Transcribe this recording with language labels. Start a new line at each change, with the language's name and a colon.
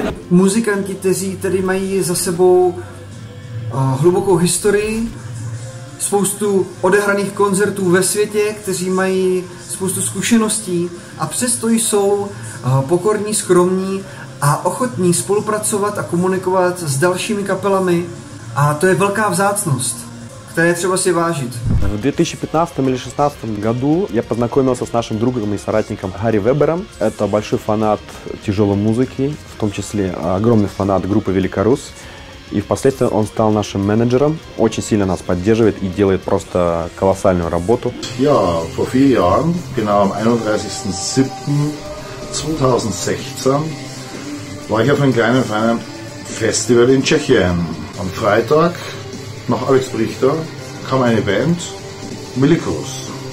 Czech: Muzikanti, kteří tady mají za sebou hlubokou historii, spoustu odehraných koncertů ve světě, kteří mají spoustu zkušeností a přesto jsou pokorní, skromní a ochotní spolupracovat a komunikovat s dalšími kapelami a to je velká vzácnost.
Russian: В 2015 или 2016 году я познакомился с нашим другом и соратником Гарри Вебером. Это большой фанат тяжелой музыки, в том числе огромный фанат группы Великорус. И впоследствии он стал нашим менеджером, очень сильно нас поддерживает и делает просто колоссальную работу.
German: Ja, vor vier Jahren, genau am 31.07.2016, war ich auf einem kleinen feinen Festival in Tschechien. Am Freitag nach Alex Richter kam eine Band, Welicoruss.